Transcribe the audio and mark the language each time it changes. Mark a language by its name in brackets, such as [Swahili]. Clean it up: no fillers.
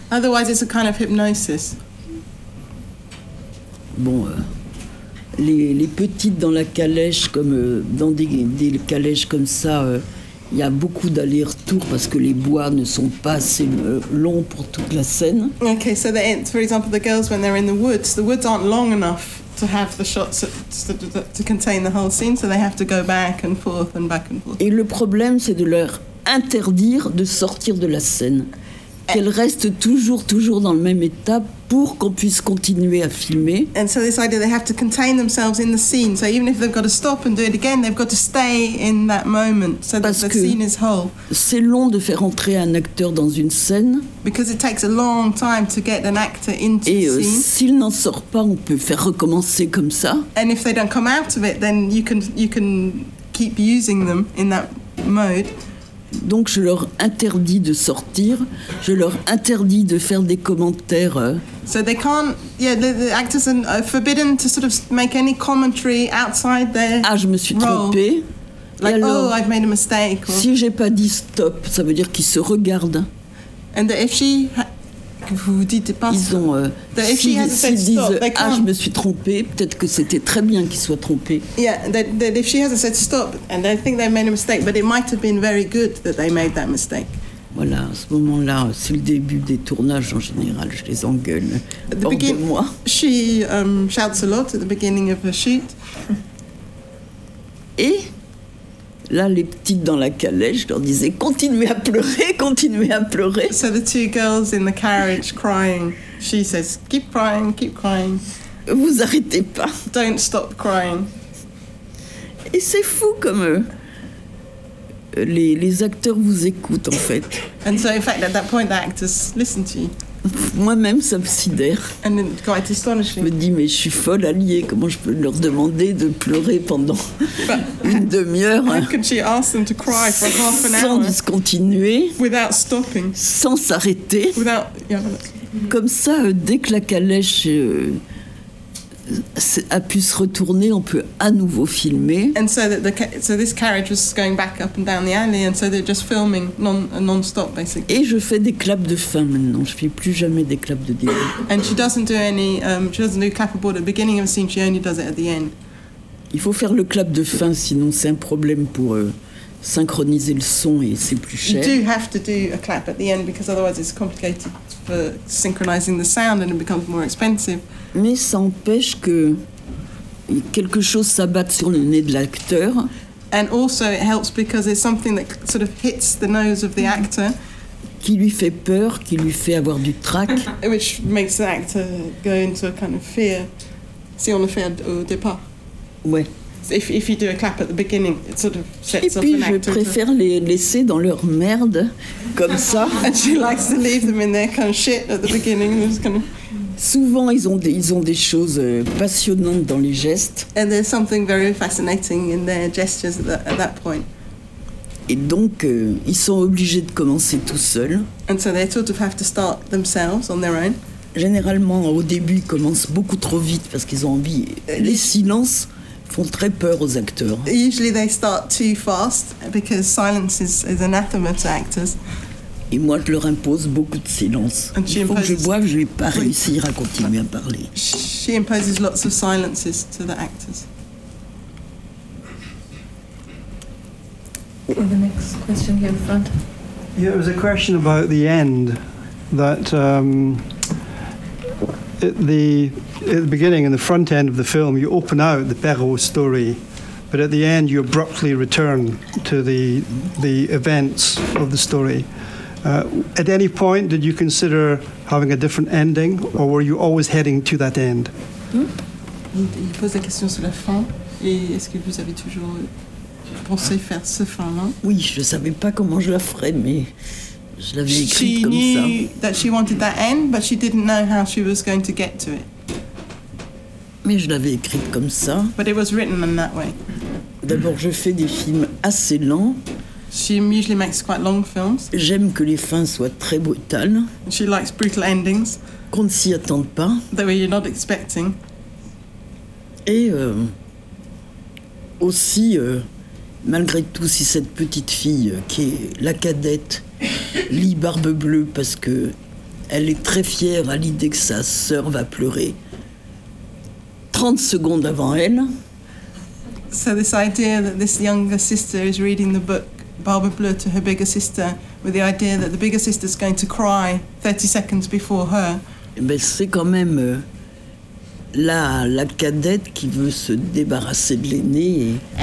[English] Otherwise, it's a kind of hypnosis. [French] Bon. Les petites dans la calèche, comme dans des calèches comme ça, il y a beaucoup d'aller-retour parce que les bois ne sont pas assez longs pour toute la scène. [English] Okay, so the for example, the girls when they're in the woods aren't long enough to have the shots to contain the whole scene, so they have to go back and forth and back and forth. [French] Et le problème, c'est de leur interdire de sortir de la scène, qu'elles restent toujours dans le même état. Pour qu'on puisse continuer à filmer. [English] And so this idea they have to contain themselves in the scene. So even if they've got to stop and do it again, they've got to stay in that moment so that [French] parce [English] the scene is whole. [French] C'est long de faire entrer un acteur dans une scène. [English] Because it takes a long time to get an actor into the scene. [French] Et s'il n'en sort pas, on peut faire recommencer comme ça. [English] And if they don't come out of it, then you can keep using them in that mode. [French] Donc je leur interdis de sortir, je leur interdis de faire des commentaires. [English] So they can't, yeah, the actors are forbidden to sort of make any commentary outside their role. [French] Ah, je me suis trompée. [English] Like, [French] alors, [English] oh, I've made a mistake. Or... [French] Si j'ai pas dit stop, ça veut dire qu'ils se regardent. [English] And that if she, [French] vous dites pas. Ils ont. [English] That if she has said stop, [French] disent, [English] they can't. [French] Ah, je me suis trompée. Peut-être que c'était très bien qu'ils soient trompés. Yeah, that if she hasn't said stop, and I think they made a mistake, but it might have been very good that they made that mistake. Voilà, à ce moment-là, c'est le début des tournages en général. Je les engueule. [English] At the beginning, [French] moi. [English] She shouts a lot at the beginning of a shoot. [French] Et là, les petites dans la calèche, je leur disais, continuez à pleurer, continuez à pleurer. [English] So the two girls in the carriage crying, she says, keep crying, keep crying. [French] Vous arrêtez pas. [English] Don't stop crying. [French] Et c'est fou comme eux. Les acteurs vous écoutent, en fait. [English] And so, in fact, at that point, the actors listen to you. [French] Moi-même, ça me sidère. [English] And then, quite astonishing. [French] Je me dis, mais je suis folle alliée. Comment je peux leur demander de pleurer pendant une demi-heure sans discontinuer, [English] without stopping, [French] sans s'arrêter. [English] Without, yeah, [French] comme ça, dès que la calèche... a pu se retourner, on peut à nouveau filmer. [English] And so that so this carriage was going back up and down the alley, and so they're just filming non-stop, basically. [French] Et je fais des claps de fin maintenant. Je fais plus jamais des claps de début. [English] And she doesn't do any. She doesn't do clapboard at the beginning of the scene. She only does it at the end. [French] Il faut faire le clap de fin, sinon c'est un problème pour synchroniser le son et c'est plus cher. [English] You do have to do a clap at the end because otherwise it's complicated for synchronizing the sound and it becomes more expensive. [French] Mais ça empêche que quelque chose s'abatte sur le nez de l'acteur. [English] And also it helps because it's something that sort of hits the nose of the actor. [French] Qui lui fait peur, qui lui fait avoir du trac. [English] Which makes the actor go into a kind of fear. [French] Si on le fait au départ. Ouais. [English] If you do a clap at the beginning, it sort of sets [French] et [English] off [French] puis [English] an [French] je [English] actor [French] préfère to... les laisser dans leur merde, comme ça. [English] And she likes to leave them in their kind of shit at the beginning. Just kind of... [French] Souvent, ils ont des choses passionnantes dans les gestes. [English] And there's something very fascinating in their gestures at that point. [French] Et donc, ils sont obligés de commencer tout seuls. [English] And so they sort of have to start themselves on their own. [French] Généralement, au début, ils commencent beaucoup trop vite parce qu'ils ont envie. Les silences font très peur aux acteurs. [English] Usually they start too fast because silence is anathema to actors. [French] Et moi, je leur impose beaucoup de silence. Il faut que je boive, je ne vais pas réussir à continuer à parler. [English] She imposes lots of silences to the actors. The next question here in front. Yeah, it was a question about the end. That at the beginning, in the front end of the film, you open out the Perrault story, but at the end, you abruptly return to the events of the story. At any point, did you consider having a different ending, or were you always heading to that end? [French] Il pose la question sur la fin. Et est-ce que vous avez toujours pensais faire ce fin-là. Oui, je savais pas comment je la ferais, mais je l'avais écrite [English] she [French] comme ça. [English] She knew that she wanted that end, but she didn't know how she was going to get to it. [French] Mais je l'avais écrite comme ça. [English] But it was written in that way. [French] D'abord, je fais des films assez lents. [English] She usually makes quite long films. [French] J'aime que les fins soient très brutales. [English] She likes brutal endings. [French] Qu'on ne s'y attende pas. [English] That way you're not expecting. [French] Et aussi. Malgré tout, si cette petite fille qui est la cadette lit Barbe Bleue parce que elle est très fière à l'idée que sa sœur va pleurer 30 secondes avant elle. [English] So this idea that this younger sister is reading the book Barbe Bleue to her bigger sister with the idea that the bigger sister is going to cry 30 seconds before her. [French] Mais c'est quand même la cadette qui veut se débarrasser de l'aînée et